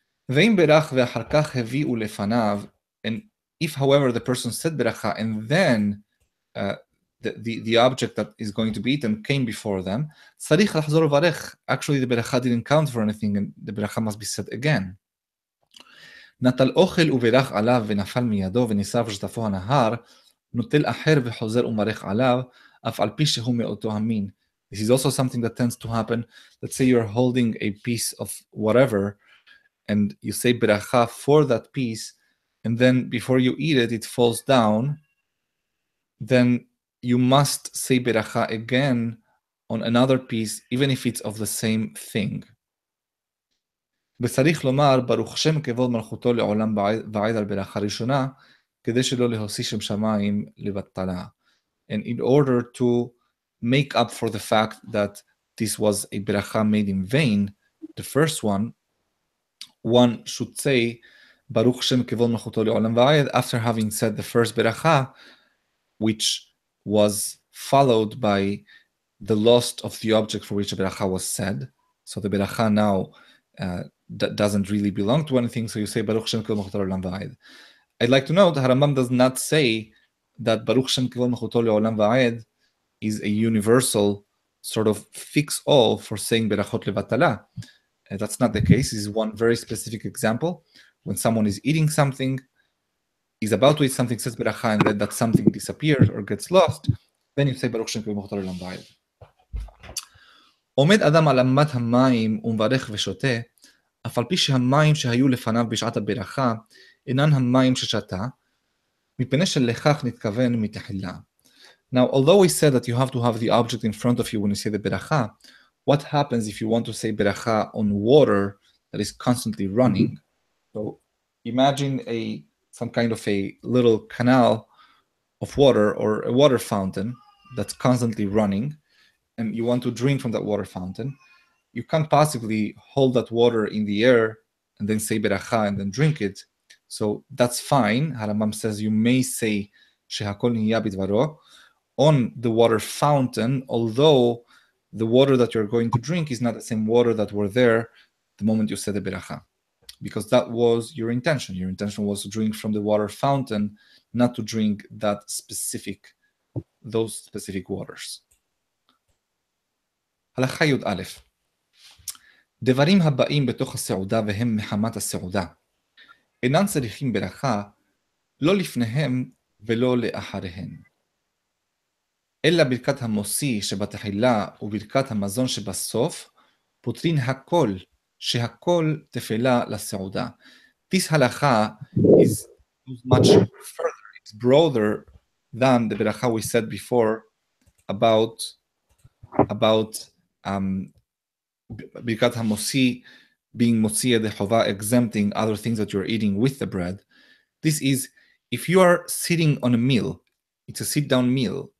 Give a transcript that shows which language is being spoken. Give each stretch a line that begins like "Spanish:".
Hebrew: Ve'im berach ve'achar kach hevi'u lefanav.
English: And if, however, the person said beracha and then the object that is going to be eaten came before them,
Hebrew: tzarich lachzor varech.
English: Actually, the beracha didn't count for anything and the beracha must be said again.
Hebrew: נטל אוכל וברך עליו ונפל מידו ונשרף שטפו הנהר, נוטל אחר וחוזר ומרך עליו, אף על פי שהוא מאותו המין.
English: This is also something that tends to happen. Let's say you're holding a piece of whatever, and you say ברכה for that piece, and then before you eat it, it falls down, then you must say ברכה again on another piece, even if it's of the same thing.
Hebrew: וצריך לומר ברוך שם כבוד מלכותו לעולם ועד על ברכה ראשונה כדי שלא להוסיף שם שמיים לבטלה.
English: And in order to make up for the fact that this was a ברכה made in vain, the first one, one should say
Hebrew: ברוך שם כבוד מלכותו לעולם ועד
English: after having said the first ברכה, which was followed by the loss of the object for which the ברכה was said. So the ברכה now that doesn't really belong to anything, so you say
Hebrew: Baruch Shem Kivol Mechuto Le'olam Va'ed.
English: I'd like to note, Harambam does not say that
Hebrew: Baruch Shem Kivol Mechuto Le'olam Va'ed
English: is a universal sort of fix-all for saying Berachot Le'vatala. That's not the case. This is one very specific example. When someone is eating something, is about to eat something, says Beracha, and then that something disappears or gets lost, then you say
Hebrew: Baruch Shem Kivol Mechuto Le'olam Va'ed. Omed Adam Al Amat Hamayim Umvarech Veshoteh, אף על פי שהמים שהיו לפניו בשעת הברכה אינן המים ששתה, מפני שלכך נתכוון מתחילה.
English: Now, although we said that you have to have the object in front of you when you say the ברכה, what happens if you want to say ברכה on water that is constantly running? So imagine some kind of a little canal of water or a water fountain that's constantly running, and you want to drink from that water fountain. You can't possibly hold that water in the air and then say beracha and then drink it. So that's fine. Harambam says you may say
Hebrew: shehakol niyah bidvaro
English: on the water fountain, although the water that you're going to drink is not the same water that were there the moment you said the beracha, because that was your intention. Your intention was to drink from the water fountain, not to drink those specific waters.
Hebrew: Halacha yud alef. דברים הבאים בתוך הסעודה והם מחמת הסעודה. אינן צריכים ברכה, לא לפניהם ולא לאחריהן. אלא ברכת המוסי שבתחילה וברכת המזון שבסוף, פותרין הכל, שהכל תפלה לסעודה.
English: This halakha is much further, it's broader than the ברכה we said before about Birkat HaMosi being
Hebrew: Motziya Dechova,
English: exempting other things that you're eating with the bread. This is, if you are sitting on a meal, it's a sit-down meal,